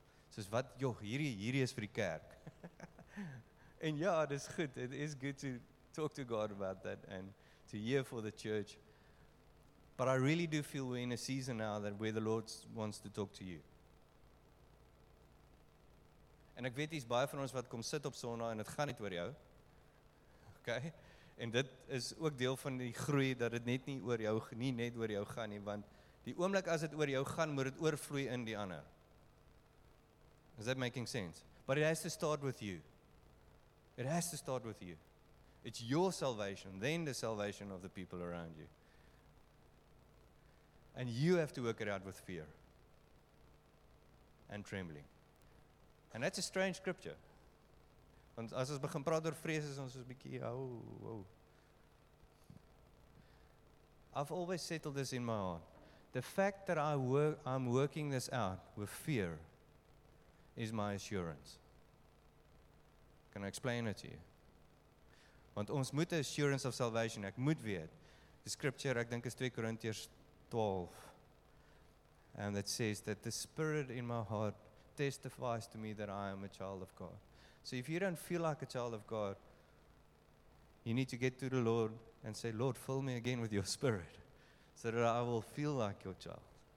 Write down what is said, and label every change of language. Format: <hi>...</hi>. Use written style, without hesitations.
<af>Soos wat, joh, hierdie is vir die kerk. En ja, dit is goed.</af> <en>It is good to talk to God about that and to hear for the church. But I really do feel we're in a season now that where the Lord wants to talk to you.</en> <af>En ek weet, hier is baie van ons wat kom sit op Sondag en het gaan niet oor jou. Okay? En dit is ook deel van die groei, dat het net nie oor jou, nie net oor jou gaan nie, want die oomblik as het oor jou gaan, moet het oorvloei in die ander.</af> <en>Is that making sense? But it has to start with you. It has to start with you. It's your salvation, then the salvation of the people around you. And you have to work it out with fear and trembling. And that's a strange scripture.</en> <af>Want as ons begin praat oor vrees, is ons is bietjie, oh, wow.</af> <en>I've always settled this in my heart. The fact that I'm working this out with fear is my assurance. Can I explain it to you?</en> <af>Want ons moet een</af> <en>assurance of salvation,</en> <af>ek moet weet.</af> <en>The scripture,</en> <af>ek dink is 2 Corinthians 12.</af> <en>And it says that the Spirit in my heart testifies to me that I am a child of God. So if you don't feel like a child of God, you need to get to the Lord and say, Lord, fill me again with your Spirit so that I will feel like your child.</en>